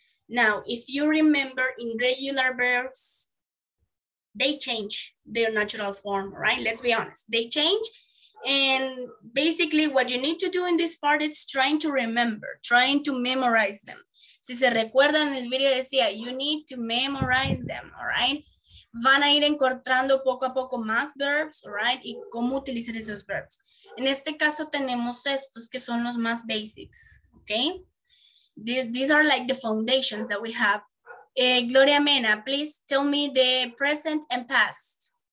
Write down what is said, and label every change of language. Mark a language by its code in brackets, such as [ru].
[en] Now, if you remember, in regular verbs, they change their natural form, right? Let's be honest, they change. And basically what you need to do in this part, it's trying to remember, trying to memorize them. [es] Si se recuerdan, el video decía, [en] you need to memorize them, all right? [es] Van a ir encontrando poco a poco más verbs, all right? Y cómo utilizar esos verbs. En este caso tenemos estos que son los más basics, okay? [en] These are like the foundations that we have. Gloria Mena, please tell me the present and past.